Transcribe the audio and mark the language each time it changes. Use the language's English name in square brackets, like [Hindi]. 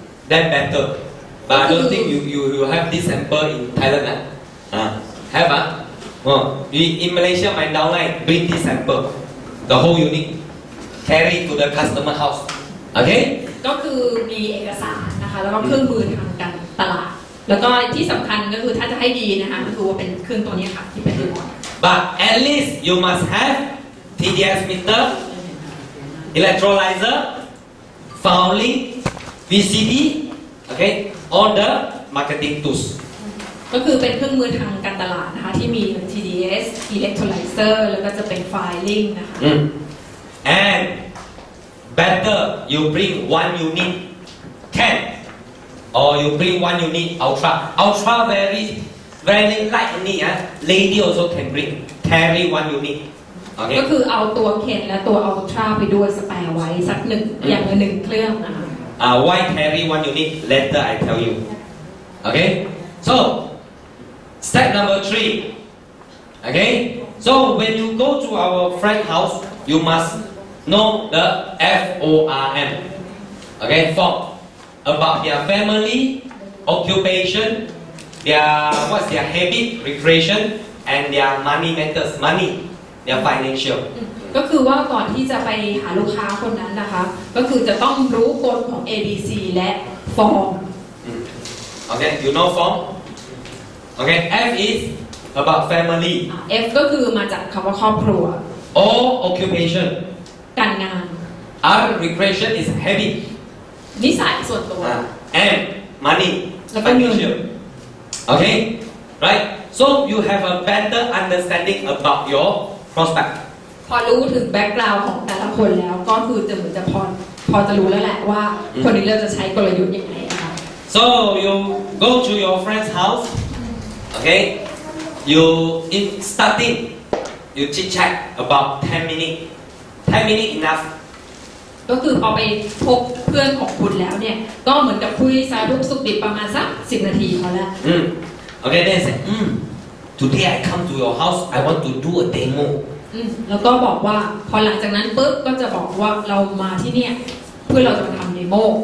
[English] Then better, but I don't think you have this sample in Thailand. Have We in Malaysia my downline bring this sample, the whole unit carry to the customer house. Okay. [Thai] ก็คือมีเอกสารนะคะแล้วก็เครื่องมือทางการตลาดแล้วก็ที่สำคัญก็คือถ้าจะให้ดีนะคะก็คือว่าเป็นเครื่องตัวนี้ค่ะที่เป็นตัว [English] But at least you must have TDS meter, electrolyzer, fouling. VCD okay all the marketing tools [Thai] ก็คือเป็นเครื่องมือทางการตลาดนะคะที่มี TDS CES electrolyzer แล้วก็จะเป็น filing นะคะ [English] and better you bring one unit 10 or you bring one unit ultra very light only lady also can bring carry one unit okay [Thai] ก็คือเอาตัวเคนและตัว ultra ไปด้วยสแปร์ไว้สักหนึ่งอย่างละหนึ่งเครื่องนะคะ [English] why carry one unit later I tell you okay so step number 3 okay so when you go to our friend house you must know the FORM okay for about their family occupation their what's their habit recreation and their money matters money their financial [Thai] ก็คือว่าก่อนที่จะไปหาลูกค้าคนนั้นนะคะก็คือจะต้องรู้กฎของ ABC และ FORM [English] okay you know FORMOkay, F is about family. [Thai] F ก็คือมาจากคำว่าครอบครัว [English] O occupation. [Thai] การงาน [English] R recreation is heavy. [Thai] นิสัยส่วนตัว [English] M money. Financial. Okay, right. So you have a better understanding about your prospect. [Thai] พอรู้ถึง background ของแต่ละคนแล้วก็คือจะเหมือนจะพอจะรู้แล้วแหละว่าคนนี้เราจะใช้กลยุทธ์ยังไงนะคะ [English] So you go to your friend's house. Okay, you in starting, you chit chat about 10 minutes. 10 minutes enough. [Thai] ก็คือพอไปพบเพื่อนของคุณแล้วเนี่ยก็เหมือนกับคุยสารทุกข์สุขดิบประมาณสัก10นาทีพอแล้ว [English] Okay, then say, today I come to your house, I want to do a demo. [Thai] แล้วก็บอกว่าพอหลังจากนั้นปุ๊บก็จะบอกว่าเรามาที่เนี่ยเพื่อเราจะมาทำเดโม